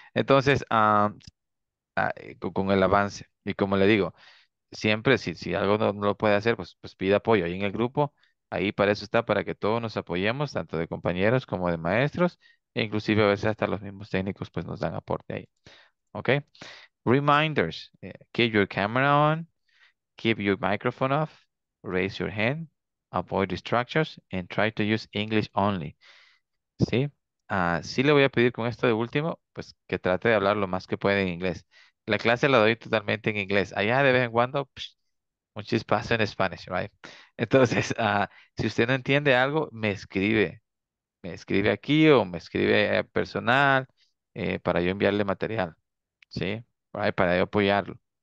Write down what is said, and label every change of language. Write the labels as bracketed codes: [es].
[es] Entonces, con el avance, y como le digo, siempre si algo no lo puede hacer, pues pide apoyo ahí en el grupo, ahí para eso está, para que todos nos apoyemos, tanto de compañeros como de maestros, e inclusive a veces hasta los mismos técnicos, pues nos dan aporte ahí, okay. [en] Reminders, keep your camera on, keep your microphone off, raise your hand. Avoid distractions and try to use English only. [es] ¿Sí? Sí le voy a pedir con esto de último, pues que trate de hablar lo más que puede en inglés. La clase la doy totalmente en inglés. Allá de vez en cuando, psh, un chispazo en Spanish, right? Entonces, si usted no entiende algo, me escribe. Me escribe aquí o me escribe personal para yo enviarle material. ¿Sí? Right? Para yo apoyarlo.